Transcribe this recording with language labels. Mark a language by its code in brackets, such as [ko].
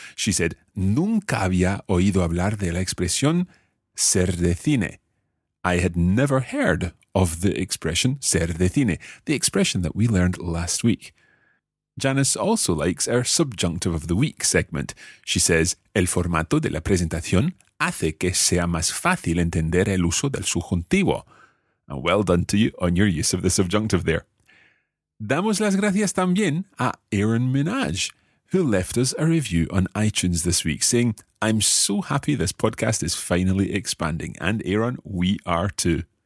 [en] She said, [es] nunca había oído hablar de la expresión ser de cine. [en] I had never heard of the expression ser de cine, the expression that we learned last week. Janice also likes our subjunctive of the week segment. She says, [es] el formato de la presentación hace que sea más fácil entender el uso del subjuntivo. [en] And well done to you on your use of the subjunctive there. [es] Damos las gracias también a [en] Aaron Minaj, who left us a review on iTunes this week, saying, I'm so happy this podcast is finally expanding. And Aaron, we are too.